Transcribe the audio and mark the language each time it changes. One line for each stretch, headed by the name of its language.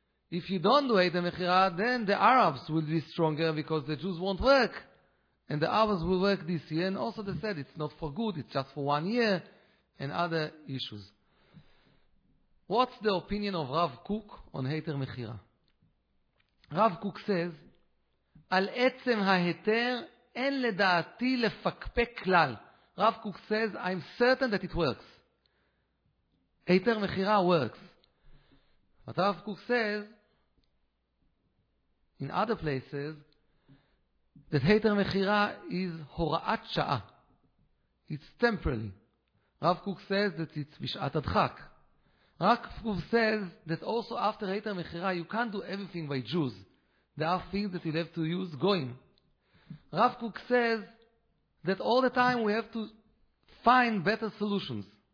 English: If you don't do Heter Mechira, then the Arabs will be stronger because the Jews won't work. And the others will work this year. And also they said it's not for good. It's just for 1 year. And other issues. What's the opinion of Rav Kook on Heter Mechira? Rav Kook says,
Hebrew: על עצם ההיתר אין לדעתי לפקפק כלל.
English: רב קוק says, I'm certain that it works. היתר מחירה works. But רב קוק says, in other places, that היתר מחירה is הוראת שעה. It's temporary. רב קוק says that it's בשעת הדחק. רב קוק says that also after היתר מחירה, you can't do everything by Jews. There are things that you have to use going. Rav Kook says that all the time we have to find better solutions.